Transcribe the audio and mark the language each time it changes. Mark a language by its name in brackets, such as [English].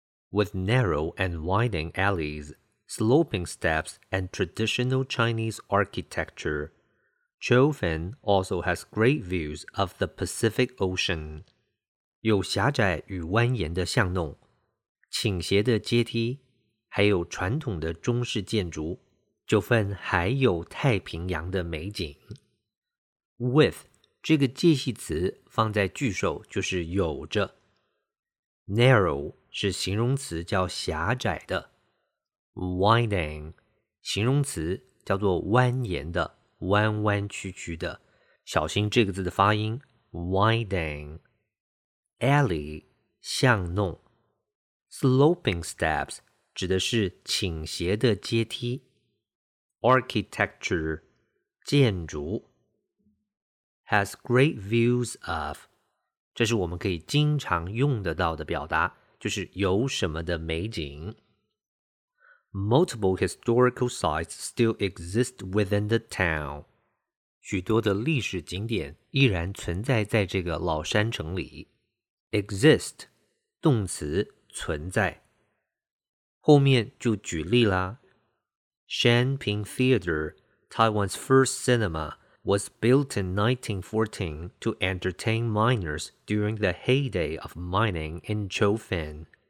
[English] With narrow and winding alleys, sloping steps and traditional Chinese architecture,Jiufen also has great views of the Pacific Ocean. [Chinese] 有狭窄与蜿蜒的巷弄，倾斜的阶梯，还有传统的中式建筑，九份还有太平洋的美景。 With 这个介系词放在句首就是有着。 Narrow 是形容词叫狭窄的。 Winding 形容词叫做蜿蜒的。弯弯曲曲的，小心这个字的发音 ， [English] winding alley [Chinese] 巷弄 ， [English] sloping steps [Chinese] 指的是倾斜的阶梯 ，architecture 建筑 ， [English] has great views of， [Chinese] 这是我们可以经常用得到的表达，就是有什么的美景。 [English] Multiple historical sites still exist within the town. [Chinese] 许多的历史景点依然存在在这个老山城里。 Exist, 动词存在。后面就举例啦。 [English] Shanping Theater, Taiwan's first cinema, was built in 1914 to entertain miners during the heyday of mining in Jiufen.